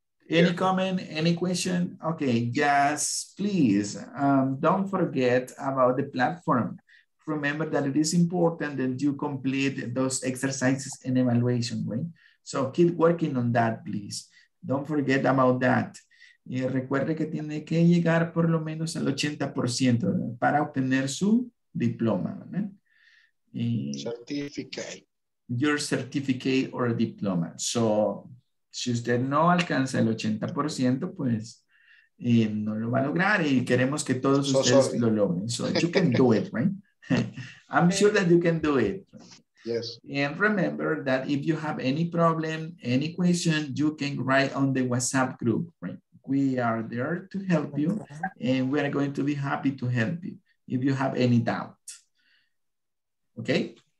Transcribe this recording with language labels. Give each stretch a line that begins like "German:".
English: Any comment? Any question? Okay. Just please don't forget about the platform. Remember that it is important that you complete those exercises and evaluation, right? So keep working on that, please. Don't forget about that.
Spanish: Y recuerde que tiene que llegar por lo menos al 80% para obtener su diploma.
English: Certificate. Your certificate or diploma.
Spanish: So, si usted no alcanza el 80%, pues no lo va a lograr y queremos que todos ustedes lo logren.
English: So, you can do it, right? I'm sure that you can do it. Yes. And remember that if you have any problem, any question, you can write on the WhatsApp group. Right? We are there to help you and we are going to be happy to help you if you have any doubt. Okay?